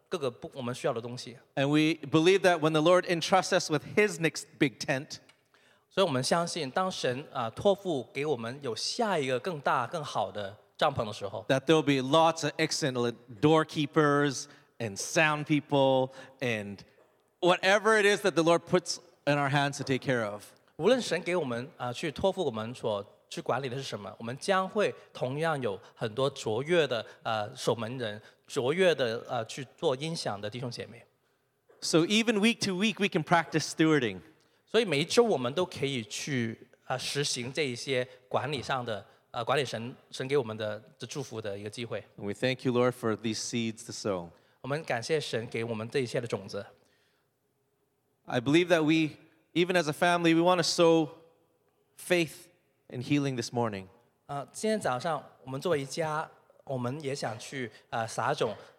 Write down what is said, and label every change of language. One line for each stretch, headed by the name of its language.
English: And we believe that when the Lord entrusts us with His next big tent,
Chinese: 所以我们相信，当神托付给我们有下一个更大更好的帐篷的时候
English: ，that there will be lots of excellent doorkeepers and sound people and whatever it is that the Lord puts in our hands to take care of.
Chinese: 无论神给我们去托付我们所去管理的是什么，我们将会同样有很多卓越的守门人。卓越的去做音响的弟兄姐妹。
English: So even week to week, we can practice stewarding.
Chinese: 所以每一周我们都可以去实行这一些管理上的管理神给我们的祝福的一个机会。
English: We thank you, Lord, for these seeds to sow.
Chinese: 我们感谢神给我们这一切的种子。
English: I believe that we, even as a family, we want to sow faith and healing this morning.
Chinese: 今天早上我们作为一家。我们也想去撒种